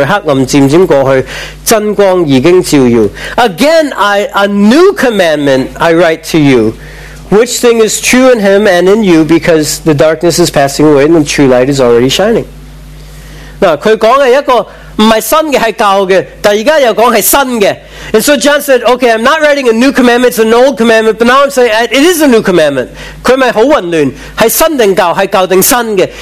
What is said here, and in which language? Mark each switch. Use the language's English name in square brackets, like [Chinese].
[Chinese] 在这我写给你们的是一条新命令，在主是真的，在你们也是真的，因为在黑暗渐渐过去，真光已经照耀. [English] Again, a new commandment I write to you, which thing is true in him and in you, because the darkness is passing away and the true light is already shining. [Chinese] 他说的一个不是新的，是旧的，但现在又说是新的。 [English] And so John said, okay, I'm not writing a new commandment, it's an old commandment, but now I'm saying it is a new commandment. [Chinese] 他不是很混乱，是新还是旧，是旧还是新的?